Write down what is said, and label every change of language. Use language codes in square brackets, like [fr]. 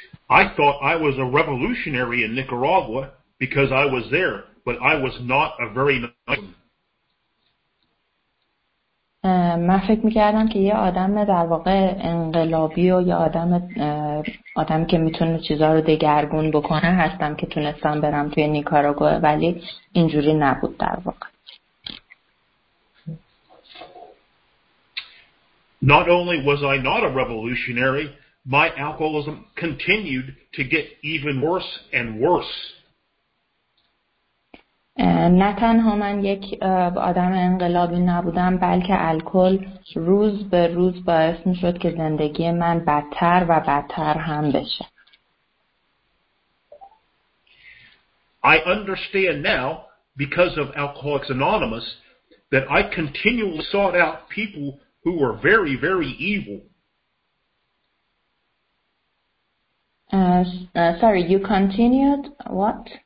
[en] I thought I was a revolutionary in Nicaragua because I was there. But I was not a very nice [fa] من فکر می‌کردم که یه آدم در واقع انقلابی و یه آدمی که میتونه چیزا رو دگرگون بکنه هستم که تونستم برم توی نیکاراگوئه، ولی اینجوری نبود در واقع. [en] Not only was I not a revolutionary, my alcoholism continued to get even worse and worse. [fa] نه تنها من یک آدم انقلابی نبودم، بلکه الکل روز به روز باعث می شد که زندگی من بدتر و بدتر هم بشه. [en] I understand now because of Alcoholics Anonymous that I continually sought out people who were very, very evil. Sorry, you continued what?